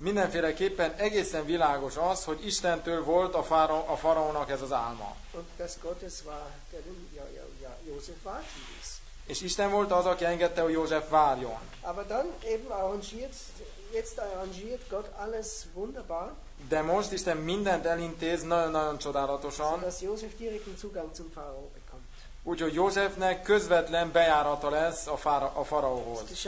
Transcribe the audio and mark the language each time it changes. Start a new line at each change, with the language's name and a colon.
Hungarian: Mindenféleképpen egészen világos az, hogy Istentől volt a Pharaónak ez az álma.
German: Und dass Gott es war, der den Josef warten ließ.
Hungarian: És Isten volt az, aki engedte, hogy József várjon.
German: Aber dann eben arrangiert, jetzt arrangiert Gott alles wunderbar.
Hungarian: De most Isten mindent elintéz nagyon-nagyon csodálatosan.
German: So, dass Josef direkten Zugang zum Pharao bekommt.
Hungarian: Úgyhogy Józsefnek közvetlen bejárata lesz a Fáraóhoz.